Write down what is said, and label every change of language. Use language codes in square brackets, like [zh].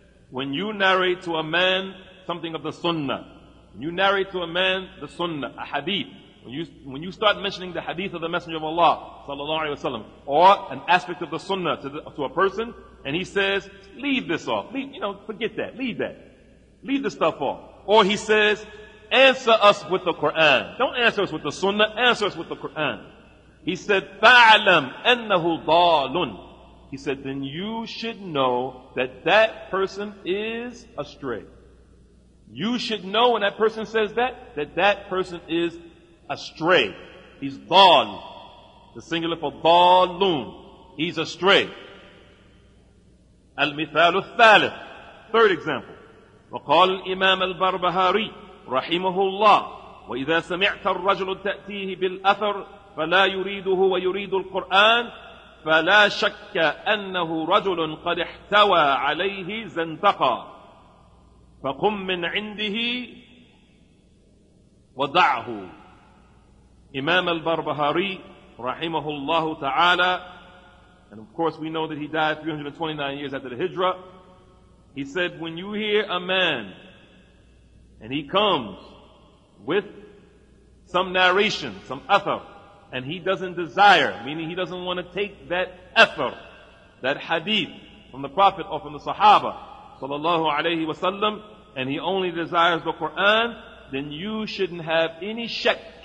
[en] when you narrate to a man something of the Sunnah, when you narrate to a man the Sunnah, a hadith, when you start mentioning the hadith of the Messenger of Allah, sallallahu alayhi wa sallam, or an aspect of the Sunnah to a person, and he says, leave this off, leave that. Leave the stuff off. Or he says, answer us with the Quran. Don't answer us with the Sunnah, answer us with the Quran. He said, [ar] فَعْلَمْ أَنَّهُ ضَالٌ. [en] He said, then you should know that that person is astray. You should know when that person says that, that that person is astray. He's ضال. The singular for ضالٌ. He's astray. [ar] الْمِثَالُ الثَّالِثُ. [en] Third example. [ar] وقال الإمام البربهاري رحمه الله وإذا سمعت الرجل تأتيه بالأثر فلا يريده ويريد القرآن فلا شك أنه رجل قد احتوى عليه زندقا فقم من عنده وضعه. إمام البربهاري رحمه الله تعالى, [en] and of course we know that he died 329 years after the Hijra. He said, when you hear a man and he comes with some narration, some athar, and he doesn't desire, meaning he doesn't want to take that athar, that hadith from the Prophet or from the Sahaba, sallallahu alayhi wa sallam, and he only desires the Quran, then you shouldn't have any shak.